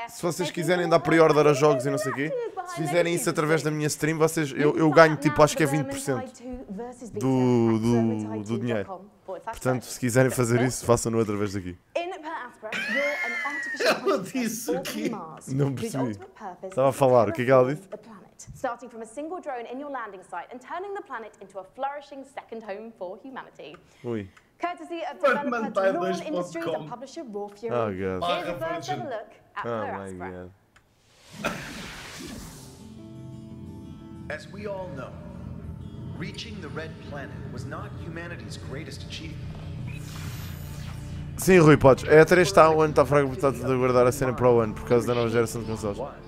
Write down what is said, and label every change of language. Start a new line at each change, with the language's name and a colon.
Portuguese: Se vocês quiserem dar pre-order a jogos e não sei o quê, se fizerem isso através da minha stream, vocês, eu ganho tipo acho que é 20% do dinheiro. Portanto, se quiserem fazer isso, façam-no através daqui. Ela disse o quê? Não percebi. Estava a falar, o que é que ela disse?
English: Starting from a single drone in your landing site and turning the planet into a flourishing second home for humanity.
French: Oui.
English: Courtesy of developer Dural Industries and publisher Raw Fury. Oh, God. Here's a first ever look at Per Aspera. As we all know, reaching the red planet was not humanity's greatest achievement.
Portuguese: Sim, Rui, podes. A E3 está um ano, está fraco, portanto, de aguardar a cena para o ano, por causa da nova geração de consoles.